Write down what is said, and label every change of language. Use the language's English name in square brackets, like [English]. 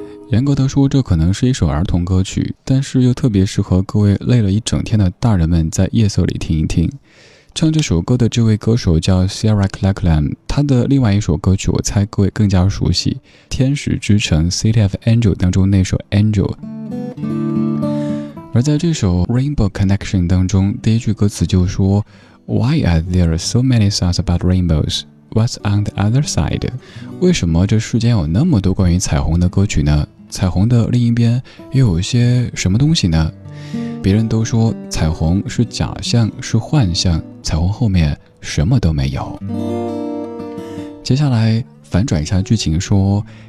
[Chinese] 严格地说，这可能是一首儿童歌曲，但是又特别适合各位累了一整天的大人们在夜色里听一听。唱这首歌的这位歌手叫 Sierra Clacklam， 他的另外一首歌曲我猜各位更加熟悉，《天使之城》 City of Angel 当中那首 Angel。而在这首 Rainbow Connection 当中，第一句歌词就说 [English] Why are there so many songs about rainbows? What's on the other side? [Chinese] 为什么这世间有那么多关于彩虹的歌曲呢？彩虹的另一边又有一些什么东西呢？别人都说彩虹是假象，是幻象，彩虹后面什么都没有。接下来反转一下剧情说